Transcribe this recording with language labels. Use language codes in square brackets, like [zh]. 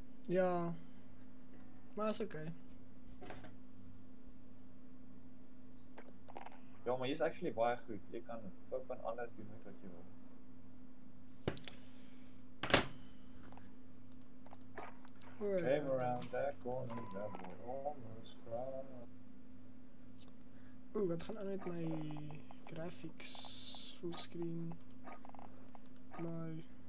[af] Ja. Maar is okay. Ja, maar jy is actually baie goed. Jy kan fuck van alles doen met wat jy wil. [en] Came around that corner, that boy almost cried. [af] Oeh, wat gaan aan met my graphics, fullscreen, my...